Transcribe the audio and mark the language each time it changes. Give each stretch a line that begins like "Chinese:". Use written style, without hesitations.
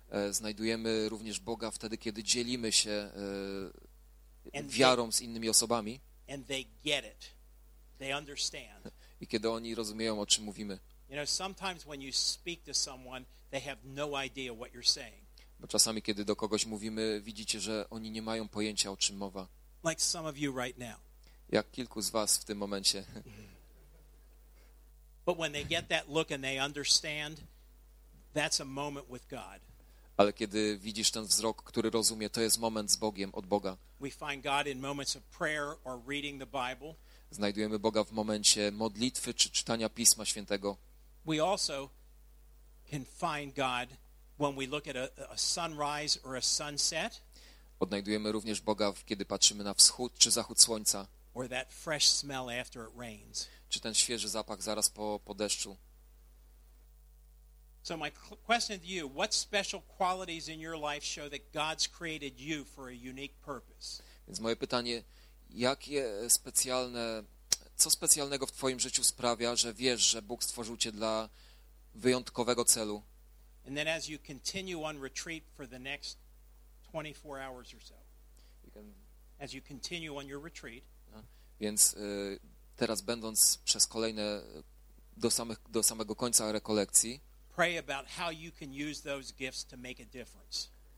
Polish: Znajdujemy również Boga wtedy, kiedy dzielimy się wiarą z innymi osobami.
English: And they get it. They understand.
Polish: I kiedy oni rozumieją, o czym mówimy.
English: You know, sometimes when you speak to someone, they have no idea what you're saying.
Polish: Bo czasami, kiedy do kogoś mówimy, widzicie, że oni nie mają pojęcia, o czym mowa.
English: Like some of you right now.
Polish: Jak kilku z was w tym momencie.
English: But when they get that look and they understand, that's a moment with God.
Polish: Ale kiedy widzisz ten wzrok, który rozumie, to jest moment z Bogiem, od Boga.
English: We find God in moments of prayer or reading the Bible.
Polish: Znajdujemy Boga w momencie modlitwy czy czytania Pisma Świętego.
English: We also can find God when we look at a sunrise or a sunset.
Polish: Odnajdujemy również Boga, kiedy patrzymy na wschód czy zachód słońca.
English: Or that fresh smell after it rains.
Polish: Czy ten świeży zapach zaraz po deszczu.
English: So my question to you, what special qualities in your life show that God's created you for a unique purpose?
Polish: Więc moje pytanie, jakie specjalne, co specjalnego w twoim życiu sprawia, że wiesz, że Bóg stworzył cię dla wyjątkowego celu?
English: And then as you continue on retreat for the next 24 hours or so. As you continue on your retreat.
Polish: Więc teraz będąc przez kolejne do samego końca rekolekcji.
English: Pray about how you can use those gifts to make a difference.